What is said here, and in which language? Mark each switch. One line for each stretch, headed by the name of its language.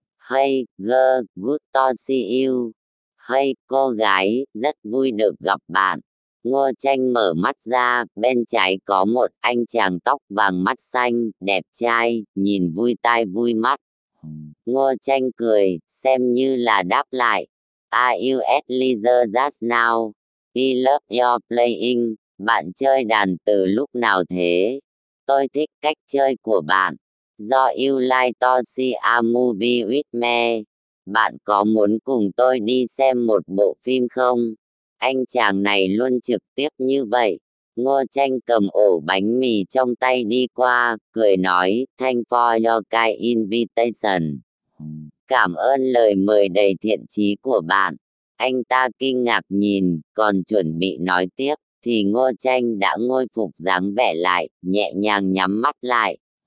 English: Hey, girl, good to see you.
Vietnamese: Hey, cô gái, rất vui được gặp bạn. Ngô Tranh mở mắt ra, bên trái có một anh chàng tóc vàng mắt xanh, đẹp trai, nhìn vui tai vui mắt. Ngô Tranh cười, xem như là đáp lại.
English: Are you at leisure just now? I love your playing.
Vietnamese: Bạn chơi đàn từ lúc nào thế? Tôi thích cách chơi của bạn.
English: Do you like to see a movie with me?
Vietnamese: Bạn có muốn cùng tôi đi xem một bộ phim không? Anh chàng này luôn trực tiếp như vậy. Ngô Tranh cầm ổ bánh mì trong tay đi qua, cười nói,
English: thank for your kind invitation.
Vietnamese: Cảm ơn lời mời đầy thiện chí của bạn. Anh ta kinh ngạc nhìn, còn chuẩn bị nói tiếp, thì Ngô Tranh đã ngôi phục dáng vẻ lại, nhẹ nhàng nhắm mắt lại.